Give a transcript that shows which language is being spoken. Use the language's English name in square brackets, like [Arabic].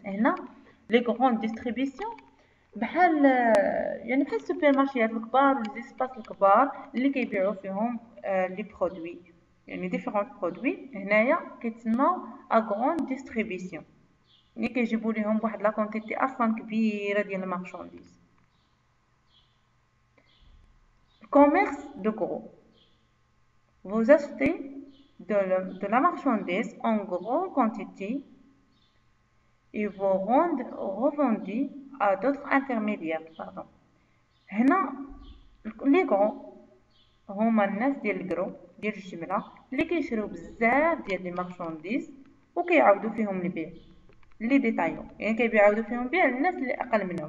[Arabic] هنا لي غروند ديستريبيسيون بحال يعني بحال السوبر مارشيات الكبار والزيسباس الكبار اللي كيبيعوا فيهم لي برودوي، يعني ديفيرون برودوي، هنايا كيتسماو اغروند ديستريبيسيون، يعني كيجيبوا ليهم بواحد لا كونتيتي اصلا كبيره ديال المارشانديز. [French] كوميرس دو كرو، vous achetez de la marchandise en grande quantité et vous rendez revendu à d'autres intermédiaires. Pardon. [Arabic] هنا لي كرو هما الناس ديال الكرو ديال الجمله اللي كيشريو بزاف ديال لي مارشانديز وكيعاودو فيهم البيع لي ديتايون، يعني كيعاودو فيهم بيع للناس اللي اقل منهم.